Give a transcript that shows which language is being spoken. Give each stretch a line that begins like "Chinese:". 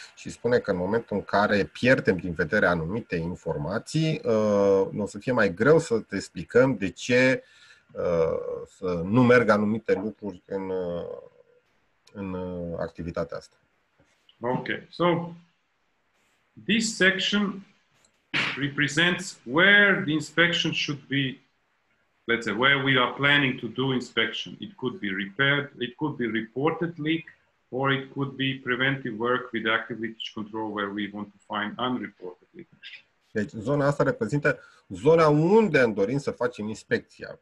Romanian: Și spune că în momentul în care pierdem din vedere anumite informații, o să fie mai greu să te explicăm de ce să nu merg anumite lucruri în activitatea asta.
English: Okay, so this section represents where the inspection should be, let's say, where we are planning to do inspection. It could be repaired, it could be reported leak, or it could be preventive work with active leakage control where we want to find unreported leak.
Romanian: Deci zona asta reprezintă zona unde dorim să facem inspecția.